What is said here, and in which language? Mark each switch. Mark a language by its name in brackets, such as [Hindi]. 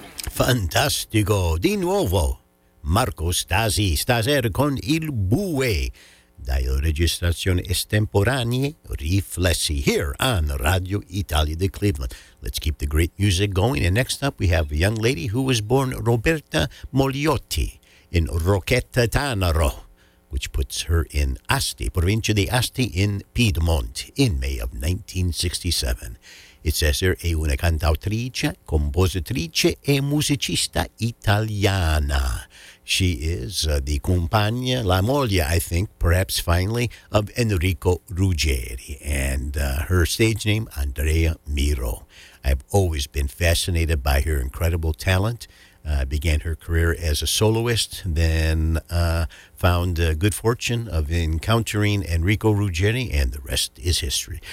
[Italian] Fantastico, di nuovo Marco Stasi, Staser con il Bue, dalle registrazioni estemporanee riflessi here on Radio Italia di Cleveland. [English] Let's keep the great music going, and next up we have a young lady who was born Roberta Moliotti in Rocchetta Tanaro, which puts her in Asti, provincia di Asti in Piedmont, in May of 1967. It says here, è una cantautrice, compositrice e musicista italiana. She is the compagna, la moglie, I think, perhaps finally, of Enrico Ruggeri, and her stage name, Andrea Miro. I've always been fascinated by her incredible talent. Began her career as a soloist, then found the good fortune of encountering Enrico Ruggeri, and the rest is history.